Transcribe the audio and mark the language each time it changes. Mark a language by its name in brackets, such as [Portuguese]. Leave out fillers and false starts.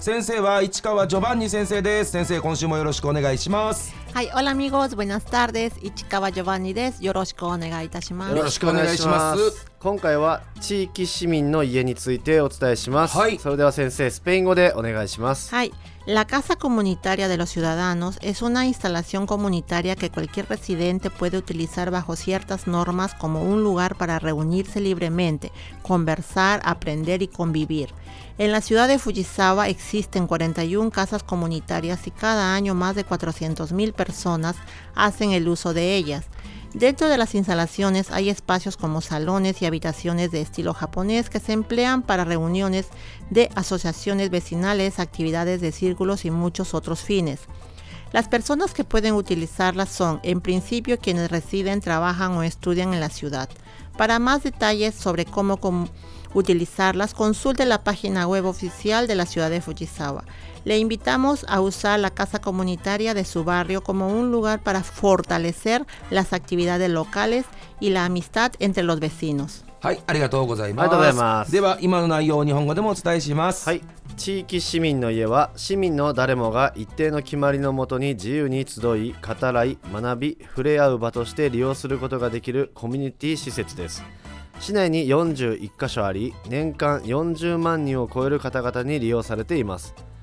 [Japanese] 先生は市川ジョバンニ先生です。先生、今週もよろしくお願いします。はい、 [Spanish] オラミゴーズ、ブナスター [Japanese] です。市川ジョバンニです。よろしくお願いいたします。よろしくお願いします。今回は地域市民の家についてお伝えします。はい、それでは先生、スペイン語でお願いします。 [Spanish] はい、La casa comunitaria de los ciudadanos es una instalación comunitaria que cualquier residente puede utilizar bajo ciertas normas como un lugar para reunirse libremente, conversar, aprender y convivir. En la ciudad de Fujisawa existen 41 casas comunitarias y cada año más de 400.000 personas hacen el uso de ellas. Dentro de las instalaciones hay espacios como salones y habitaciones de estilo japonés que se emplean para reuniones de asociaciones vecinales, actividades de círculos y muchos otros fines. Las personas que pueden utilizarlas son, en principio, quienes residen, trabajan o estudian en la ciudad. Para más detalles sobre cómo utilizarlas, consulte la página web oficial de la ciudad de Fujisawa. Le invitamos a usar la casa comunitaria de su barrio como un lugar para fortalecer las actividades locales y la amistad entre los vecinos. [Japanese] はい、ありがとうございます。ありがとうございます。では今の内容を日本語でもお伝えします。はい、地域市民の家は市民の誰もが一定の決まりのもとに自由に集い、語らい、学び、触れ合う場として利用することができるコミュニティ施設です。市内に41箇所あり、年間40万人を超える方々に利用されています。